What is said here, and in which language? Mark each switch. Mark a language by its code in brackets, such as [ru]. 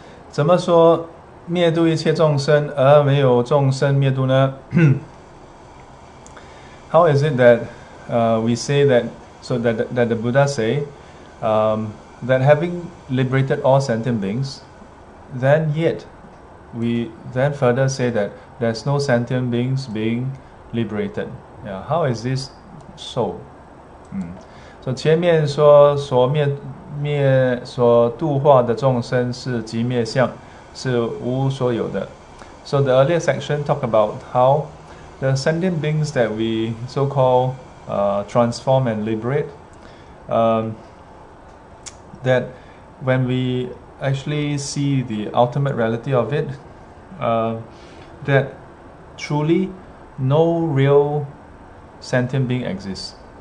[zh] 怎么说灭度一切众生而没有众生灭度呢? [en] How is it that we say that, so that the Buddha say that having liberated all sentient beings, then yet we then further say that there's no sentient beings being liberated. Yeah, how is this so? [zh] So 前面说灭 灭所度化的众生是即灭相，是无所有的. [en] So the earlier section talk about how the sentient beings that we so call transform and liberate, that when we actually see the ultimate reality of it, that truly no real sentient being exists.